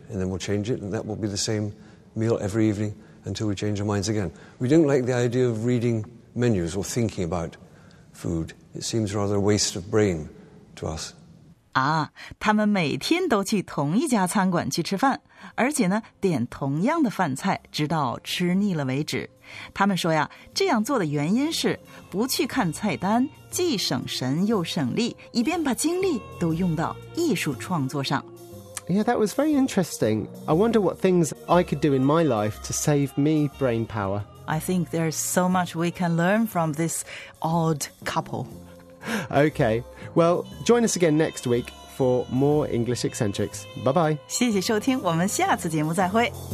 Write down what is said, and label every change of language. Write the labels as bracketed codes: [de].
[en] And then we'll change it, and that will be the same meal every evening until we change our minds again. We don't like the idea of reading menus or thinking about food. It seems rather a waste of brain to us. [zh] 啊，他们每天都去同一家餐馆去吃饭，而且呢，点同样的饭菜，直到吃腻了为止。他们说呀，这样做的原因是不去看菜单，既省神又省力，以便把精力都用到艺术创作上。 [en] Yeah, that was very interesting. I wonder what things I could do in my life to save me brain power. I think there's so much we can learn from this odd couple. Okay, well, join us again next week for more English Eccentrics. Bye-bye. [zh] 谢谢收听，我们下次节目再会。